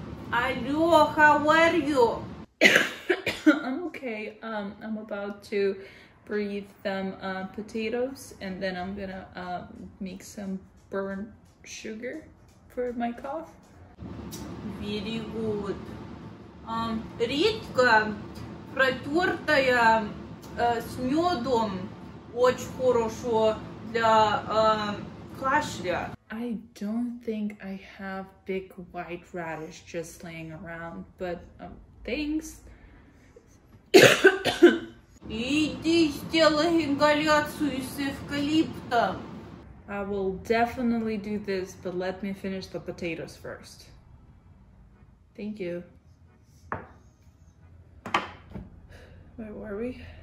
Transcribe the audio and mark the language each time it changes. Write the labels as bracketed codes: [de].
[en] How are you? I'm okay. I'm about to breathe them potatoes and then I'm gonna make some burnt sugar for my cough. Very good. [ru] Ритка, протертая с медом очень хорошо для кашля. [en] I don't think I have big white radish just laying around, but thanks. [ru] Иди сделай ингаляцию с эвкалиптом. [en] I will definitely do this, but let me finish the potatoes first. Thank you. Where were we?